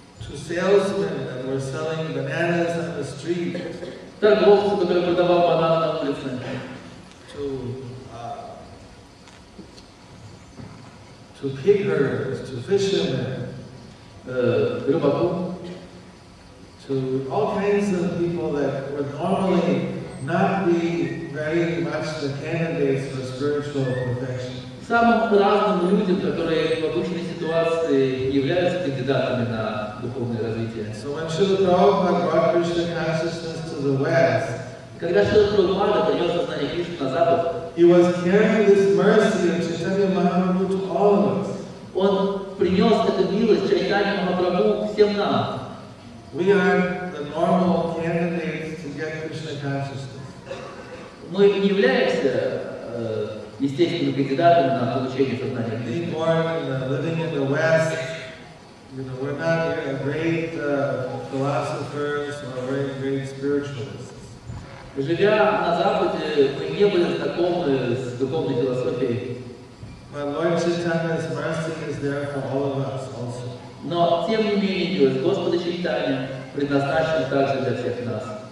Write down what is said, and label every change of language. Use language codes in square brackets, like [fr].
[en] To salesmen that were selling bananas on the street. [ru] Торговцы, которые продавали бананы на улице. [en] To to pickers, to fishermen, to all kinds of people that would normally not be very much the candidates for spiritual perfection. [ru] Самым разным людям, которые в обычной ситуации являются кандидатами на духовное развитие. [en] So when Śrīla Prabhupāda brought Krishna consciousness to the West, [ru] когда Śrīla Prabhupāda принес сознание Кришны на Запад, [en] he was carrying this mercy of Chaitanya Mahāprabhu to all of us. [ru] Он принес эту милость Чайтанья Махапрабху всем нам. [en] We are the normal candidates to get Krishna consciousness. [ru] Мы не являемся естественно, кандидатом на получение сознания. [en] Being born and living in the West, you know, we're not here great philosophers or very great spiritualists. [ru] Живя на Западе, мы не были знакомы с духовной философией. [en] But Lord Chaitanya's mercy is there for all of us also. [ru] Но тем не менее, Господа Чайтанья предназначен также для всех нас.